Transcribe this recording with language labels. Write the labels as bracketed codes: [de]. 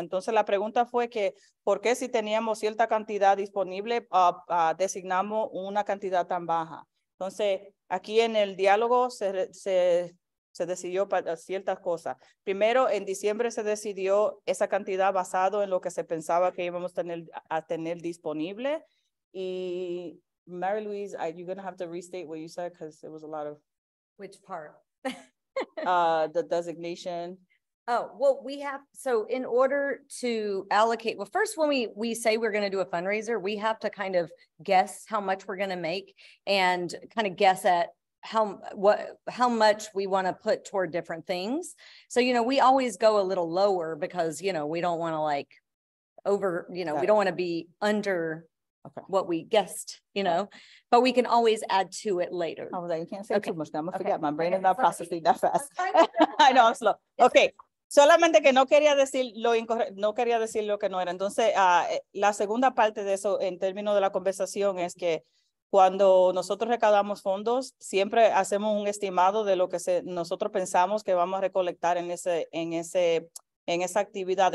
[es] Entonces la pregunta fue que, ¿por qué si teníamos cierta cantidad disponible, designamos una cantidad tan baja? Entonces aquí en el diálogo se decidió para ciertas cosas. Primero, en diciembre se decidió esa cantidad basado en lo que se pensaba que íbamos a tener disponible. [en] Y Mary Louise, you're going to have to restate what you said because it was a lot of... Which part? the designation. Oh, well, we have... So in order to allocate... Well, first, when we say we're going to do a fundraiser, we have to kind of guess how much we're going to make and kind of guess at how much we want to put toward different things. So, you know, we always go a little lower because, you know, we don't want to like over... You know, we don't want to be under... Okay. What we guessed, you know, but we can always add to it later. I was like, you can't say too much. I'm gonna forget. My brain is not processing that fast. I know I'm slow. Okay. [es] Solamente que no quería decir lo incorrecto, no quería decir lo que no era. Entonces, la segunda parte de eso en términos de la conversación es que cuando nosotros recaudamos fondos, siempre hacemos un estimado de lo que nosotros pensamos que vamos a recolectar en esa actividad.